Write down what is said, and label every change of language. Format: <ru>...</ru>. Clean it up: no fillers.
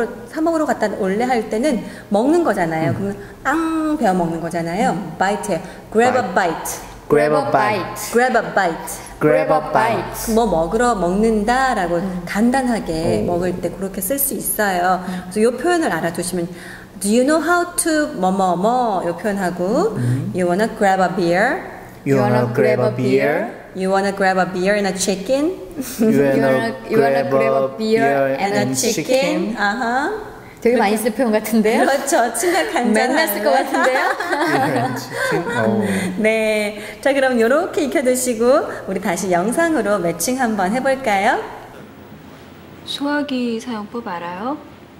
<ko>사 먹으러 갔다 올래 할 때는 먹는 거잖아요. 그러면 앙 베어 먹는 거잖아요.</ko> <en>Bite. Grab a bite.</en> <ko>뭐 먹으러 먹는다라고 간단하게 먹을 때 그렇게 쓸 수 있어요. 그래서 요 표현을 알아두시면.</ko> <en>Do you know how to</en> <ko>뭐뭐뭐 요 표현하고</ko> <en>You wanna grab a beer and a chicken?</en> <ko>아하. 되게 많이 쓸 표현 같은데요? 그렇죠. 친구 간장 맨날 쓸 것 같은데요? 네. 자 그럼 요렇게 익혀두시고 우리 다시 영상으로 매칭 한번 해볼까요? 소화기 사용법 알아요?</ko>